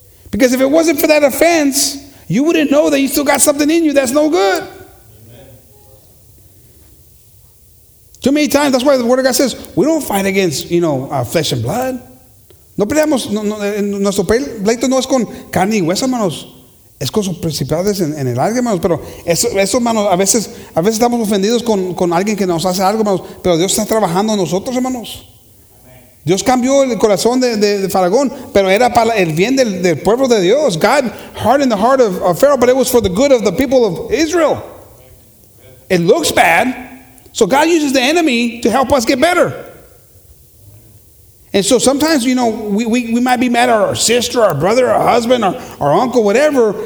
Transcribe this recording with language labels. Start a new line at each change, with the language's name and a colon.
English: Because if it wasn't for that offense, you wouldn't know that you still got something in you that's no good. Amen. Too many times, that's why the Word of God says, we don't fight against, you know, flesh and blood.
Spanish: No peleamos, nuestro pleito no es con carne y hueso, hermanos. Es con sus principales en el alma, hermanos. Pero eso, hermanos, a veces estamos ofendidos con alguien que nos hace algo, hermanos. Pero Dios está trabajando en nosotros, hermanos. Dios cambió el corazón de Faraón, pero era para el bien del pueblo de Dios.
English: God hardened the heart of Pharaoh, but it was for the good of the people of Israel. It looks bad. So God uses the enemy to help us get better. And so sometimes, you know, we might be mad at our sister, our brother, our husband, our uncle, whatever.